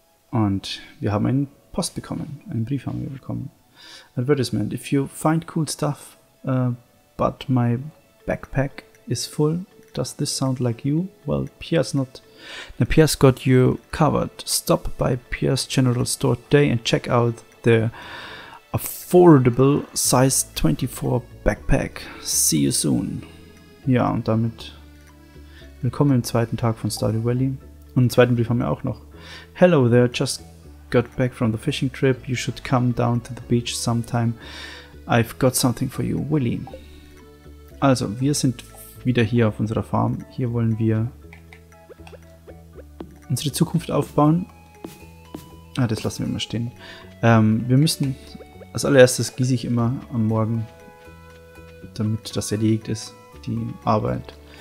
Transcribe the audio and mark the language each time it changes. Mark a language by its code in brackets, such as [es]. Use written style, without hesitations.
[de] Und wir haben einen Post bekommen, einen Brief haben wir bekommen. [en] Advertisement: If you find cool stuff, but my backpack is full, does this sound like you? Well, Pierre's not. Now Pierre's got you covered. Stop by Pierre's General Store today and check out the affordable size 24 backpack. See you soon. [de] Ja, und damit willkommen im zweiten Tag von Stardew Valley. Und einen zweiten Brief haben wir auch noch. [en] Hello there, just got back from the fishing trip. You should come down to the beach sometime. I've got something for you, Willy. [de] Also, wir sind wieder hier auf unserer Farm. Hier wollen wir unsere Zukunft aufbauen. Ah, das lassen wir mal stehen. Wir müssen als allererstes gieße ich immer am Morgen, damit das erledigt ist, die Arbeit.